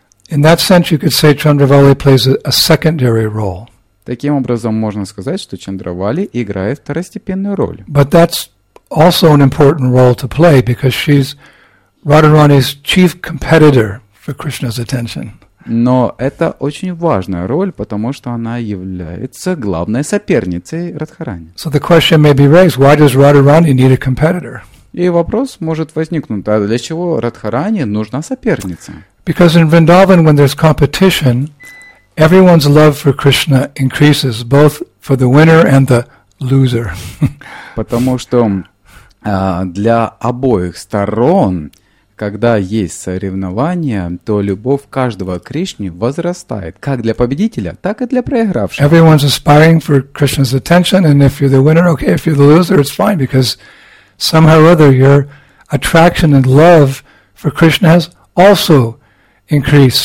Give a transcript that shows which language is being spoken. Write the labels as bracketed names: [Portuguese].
[English] In that sense, you could say Chandravali plays a secondary role. [Russian] Таким образом, можно сказать, что Чандравали играет второстепенную роль. [English] But that's also an important role to play because she's Radharani's chief competitor for Krishna's attention. [Russian] Но это очень важная роль, потому что она является главной соперницей Радхарани. [English] So the question may be raised, why does Radharani need a competitor? [Russian] И вопрос может возникнуть, а для чего Радхарани нужна соперница? [English] Because in Vrindavan, when there's competition, everyone's love for Krishna increases, both for the winner and the loser. [Russian] Потому что для обоих сторон, когда есть соревнования, то любовь каждого к Кришне возрастает, как для победителя, так и для проигравшего. [English] Everyone's aspiring for Krishna's attention, and if you're the winner, okay, if you're the loser, it's fine, because somehow or other your attraction and love for Krishna has also increased.